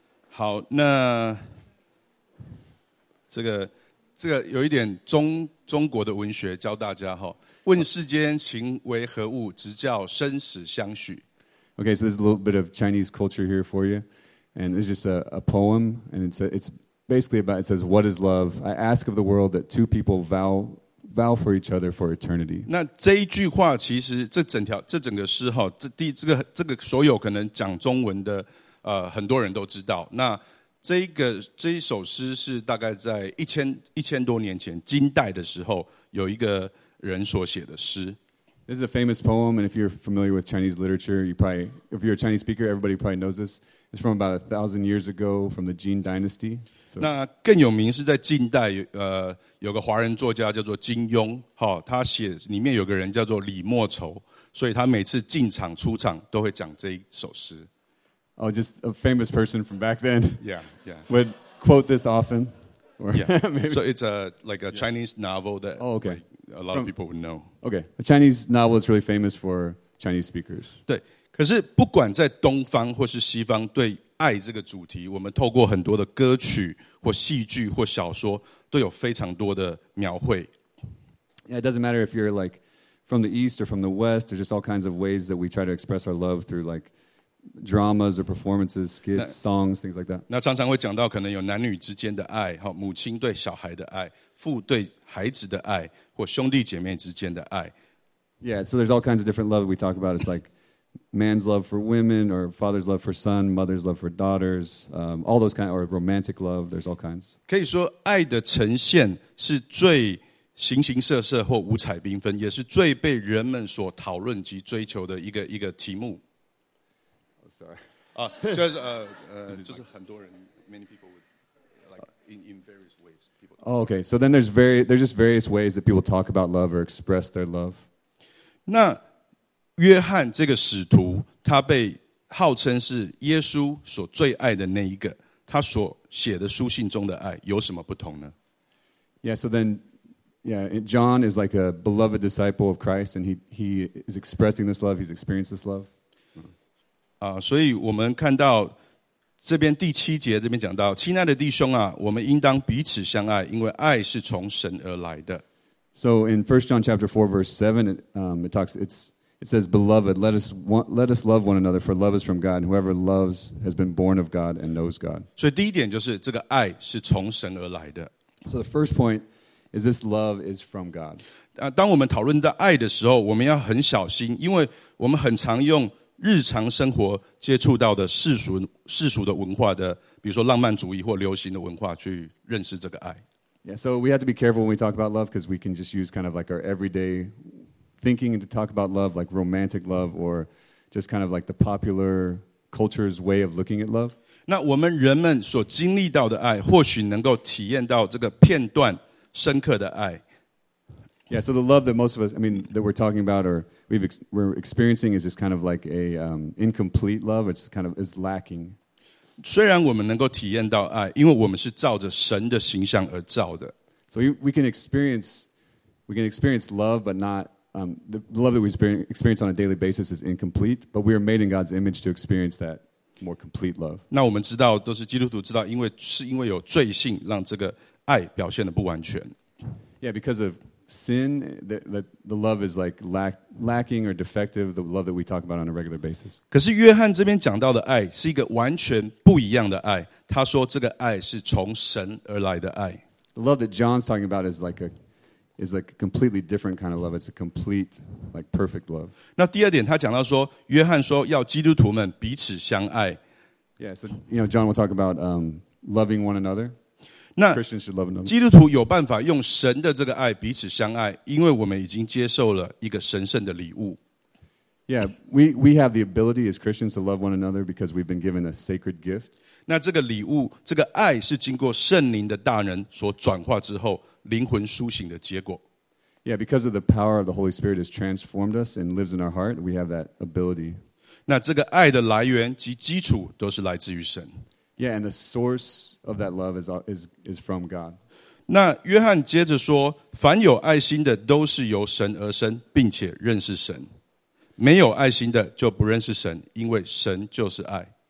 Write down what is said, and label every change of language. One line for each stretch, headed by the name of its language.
Chinese: 好，那这个有一点中国的文学教大家哈。问世间情为何物，直教生死相许。
English: Okay, so there's a little bit of Chinese culture here for you, and it's just a poem, and it's basically about, it says, what is love? I ask of the world that two people vow for each other for eternity.
Chinese: 那这一句话其实这整个诗哈，这个所有可能讲中文的很多人都知道。那这一首诗是大概在1000多年前金代的时候有一个人所写的诗。
English: This is a famous poem, and if you're familiar with Chinese literature, if you're a Chinese speaker, everybody probably knows this. It's from about 1000 years ago from the Jin Dynasty.
Chinese: 那更有名是在近代，有个华人作家叫做金庸，哈，他写里面有个人叫做李莫愁，所以他每次进场出场都会讲这一首诗。
English: Oh, just a famous person from back then. Yeah, yeah. Would quote this often. Or yeah. Maybe. So it's a Chinese novel that a lot of people would know. Okay, a Chinese novel is really famous for Chinese speakers.
Chinese: 对，可是不管在东方或是西方，对爱这个主题，我们透过很多的歌曲或戏剧或小说，都有非常多的描绘。
English: Yeah, it doesn't matter if you're like from the East or from the West. There's just all kinds of ways that we try to express our love through like dramas or performances, skits, songs, things like that.
Chinese: 那常常会讲到可能有男女之间的爱，好，母亲对小孩的爱，父对孩子的爱，或兄弟姐妹之间的爱。
English: Yeah, so there's all kinds of different love we talk about. It's like man's love for women, or father's love for son, mother's love for daughters, all those kinds, or romantic love, there's all kinds.
Chinese: 可以说爱的呈现是最形形色色或五彩缤纷，也是最被人们所讨论及追求的一个题目。
English: Oh, sorry.
Chinese: 就是很多人
English: many people would, in various ways. People. Oh, okay, so then there's just various ways that people talk about love or express their love.
Chinese: 那约翰这个使徒，他被号称是耶稣所最爱的那一个，他所写的书信中的爱有什么不同呢
English: ？Yeah, so then, yeah, John is like a beloved disciple of Christ, and he is expressing this love. He's experienced this love.
Chinese: 所以我们看到这边第七节这边讲到，亲爱的弟兄啊，我们应当彼此相爱，因为爱是从神而来的。
English: So in 1 John chapter 4 verse 7, It says, Beloved, let us love one another, for love is from God, and whoever loves has been born of God and knows God.
Chinese: So, 第一点就是这个爱是从神而来的。
English: So the first point is this love is from God.
Chinese: 当我们讨论到爱的时候，我们要很小心，因为我们很常用日常生活接触到的世俗的文化的，比如说浪漫主义或流行的文化去认识这个爱。
English: Yeah, so we have to be careful when we talk about love, because we can just use kind of like our everyday thinking and to talk about love, like romantic love, or just kind of like the popular culture's way of looking at love.
Chinese: 那我们人们所经历到的爱，或许能够体验到这个片段深刻的爱。
English: Yeah, so the love that most of us, I mean, that we're talking about or we're experiencing is just kind of like a incomplete love. It's lacking.
Chinese: 虽然我们能够体验到爱，因为我们是照着神的形象而造的。
English: So we can experience love, but not the love that we experience on a daily basis is incomplete, but we are made in God's image to experience that more complete love.
Chinese: 那我们知道，都是基督徒知道，因为有罪性，让这个爱表现的不完全。
English: Yeah, because of sin, the love is like lacking or defective. The love that we talk about on a regular basis.
Chinese: 可是约翰这边讲到的爱是一个完全不一样的爱。他说这个爱是从神而来的爱。
English: The love that John's talking about is like a completely different kind of love. It's a complete, like perfect love.
Chinese: 那第二点，他讲到说，约翰说要基督徒们彼此相爱。
English: Yeah, so John will talk about loving one another. 那 Christians should love another.
Chinese: 基督徒有办法用神的这个爱彼此相爱，因为我们已经接受了一个神圣的礼物。
English: Yeah, we have the ability as Christians to love one another because we've been given a sacred gift.
Chinese: 那这个礼物，这个爱是经过圣灵的大能所转化之后，灵魂苏醒的结果。
English: Yeah, because of the power of the Holy Spirit has transformed us and lives in our heart, we have that ability.
Chinese: 那这个爱的来源及基础都是来自于神。
English: Yeah, and the source of that love is from God.
Chinese: 那约翰接着说，凡有爱心的都是由神而生，并且认识神。没有爱心的就不认识神，因为神就是爱。